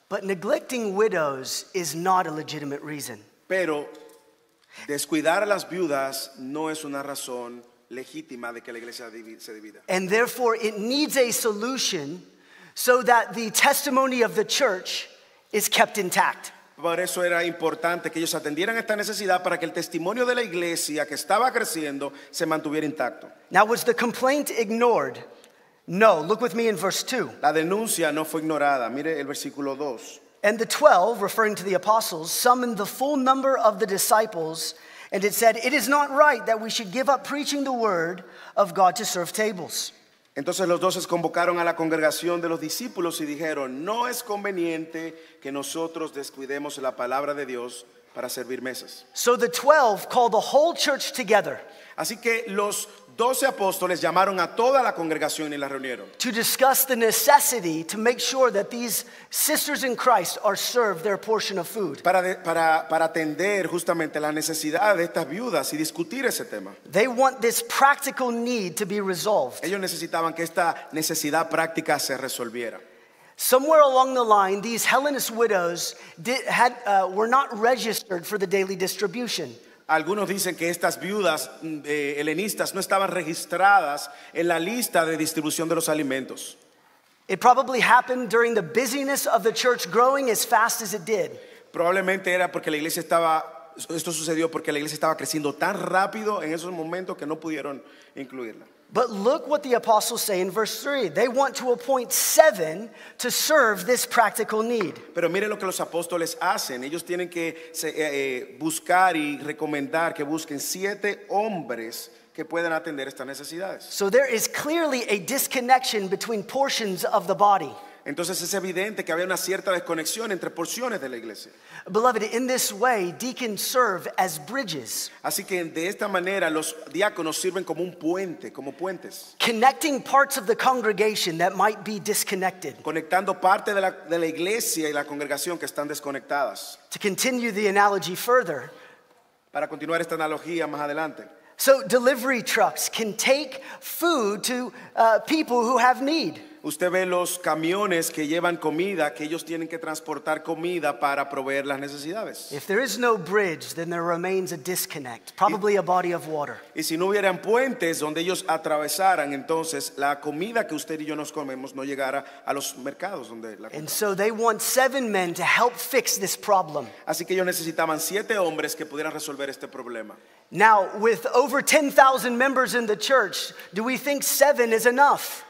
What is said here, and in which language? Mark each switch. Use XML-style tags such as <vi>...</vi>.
<en>But neglecting widows is not a legitimate reason.</en> <es>Pero descuidar a las viudas no es una razón legítima de que la iglesia se divida.</es> <en>And therefore it needs a solution so that the testimony of the church is kept intact.</en> <es>Por eso era importante que ellos atendieran esta necesidad para que el testimonio de la iglesia que estaba creciendo se mantuviera intacto.</es> <en>Now was the complaint ignored? No, look with me in verse 2.</en> <es>La denuncia no fue ignorada. Mire el versículo 2.</es> <en>And the 12, referring to the apostles, summoned the full number of the disciples, and it said, "It is not right that we should give up preaching the word of God to serve tables."</en> <es>Entonces los 12 convocaron a la congregación de los discípulos y dijeron, "No es conveniente que nosotros descuidemos la palabra de Dios para servir mesas."</es> <en>So the 12 called the whole church together.</en> <es>Así que los 12 apóstoles llamaron a toda la congregación y la reunieron.</es> <en>To discuss the necessity to make sure that these sisters in Christ are served their portion of food.</en> <es>Para atender justamente la necesidad de estas viudas y discutir ese tema.</es> <en>They want this practical need to be resolved.</en> <es>Ellos necesitaban que esta necesidad práctica se resolviera.</es> <en>Somewhere along the line, these Hellenist widows were not registered for the daily distribution.</en> <es>Algunos dicen que estas viudas helenistas no estaban registradas en la lista de distribución de los alimentos.</es> <en>It probably happened during the busyness of the church growing as fast as it did.</en> <es>Probablemente era porque la iglesia estaba, esto sucedió porque la iglesia estaba creciendo tan rápido en esos momentos que no pudieron incluirla.</es> <en>But look what the apostles say in verse 3. They want to appoint 7 to serve this practical need.</en> <es>Pero miren lo que los apóstoles hacen. Ellos tienen que buscar y recomendar que busquen 7 hombres que puedan atender estas necesidades.</es> <en>So there is clearly a disconnection between portions of the body.</en> <es>Entonces es evidente que había una cierta desconexión entre porciones de la iglesia.</es> <en>Beloved, in this way, deacons serve as bridges.</en> <es>Así que de esta manera los diáconos sirven como un puente, como puentes.</es> <en>Connecting parts of the congregation that might be disconnected.</en> <es>Conectando parte de la iglesia y la congregación que están desconectadas.</es> <en>To continue the analogy further.</en> <es>Para continuar esta analogía más adelante.</es> <en>So delivery trucks can take food to people who have need.</en> <es>Usted ve los camiones que llevan comida, que ellos tienen que transportar comida para proveer las necesidades.</es> <en>If there is no bridge, then there remains a disconnect, probably a body of water.</en> <es>Y si no hubieran puentes donde ellos atravesaran, entonces la comida que usted y yo nos comemos no llegara a los mercados donde la compramos.</es> <en>And so they want 7 men to help fix this problem.</en> <es>Así que ellos necesitaban 7 hombres que pudieran resolver este problema.</es> <en>Now, with over 10,000 members in the church, do we think 7 is enough?</en>